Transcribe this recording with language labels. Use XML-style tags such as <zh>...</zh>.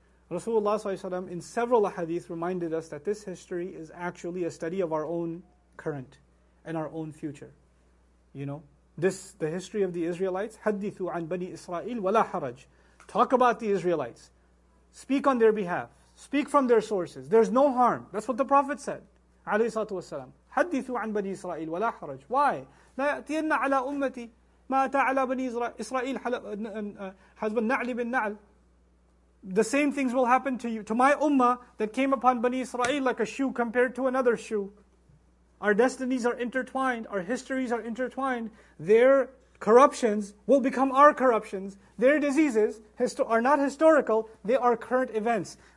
<en>Rasulullah ﷺ in several ahadith reminded us that this history is actually a study of our own current and our own future. You know, this the history of the Israelites.</en> <ar>Hadithu an Bani Israel wala haraj.</ar> <en>Talk about the Israelites. Speak on their behalf. Speak from their sources. There's no harm. That's what the Prophet said.</en> <ar>عليه الصلاة والسلام. Hadithu an Bani Israel wala haraj.</ar> <en>Why?</en> <ar>لا يأتينا على أمتي ما أتى على بني إسرائيل حسب النعل بالنعل.</ar> <en>The same things will happen to you, to my ummah that came upon Bani Israel like a shoe compared to another shoe. Our destinies are intertwined, our histories are intertwined. Their corruptions will become our corruptions. Their diseases are not historical, they are current events.</en>